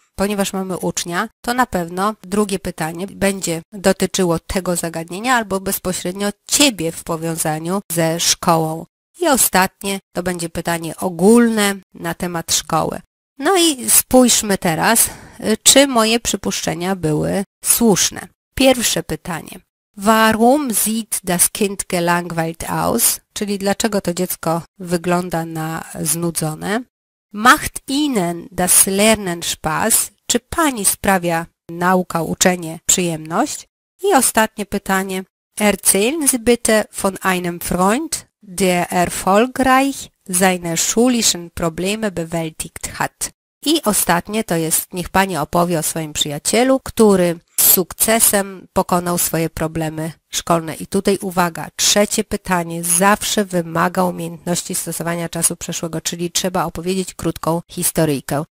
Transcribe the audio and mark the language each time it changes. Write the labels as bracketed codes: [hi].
[pl] Ponieważ mamy ucznia, to na pewno drugie pytanie będzie dotyczyło tego zagadnienia albo bezpośrednio Ciebie w powiązaniu ze szkołą. I ostatnie to będzie pytanie ogólne na temat szkoły. No i spójrzmy teraz, czy moje przypuszczenia były słuszne. Pierwsze pytanie. [de] Warum sieht das Kind gelangweilt aus? [pl] Czyli dlaczego to dziecko wygląda na znudzone? [de] Macht Ihnen das Lernen Spaß? [pl] Czy Pani sprawia nauka, uczenie przyjemność? I ostatnie pytanie. [de] Erzählen Sie bitte von einem Freund, der erfolgreich seine schulischen Probleme bewältigt hat. [pl] I ostatnie to jest, niech Pani opowie o swoim przyjacielu, który sukcesem pokonał swoje problemy szkolne. I tutaj uwaga, trzecie pytanie zawsze wymaga umiejętności stosowania czasu przeszłego, czyli trzeba opowiedzieć krótką historyjkę.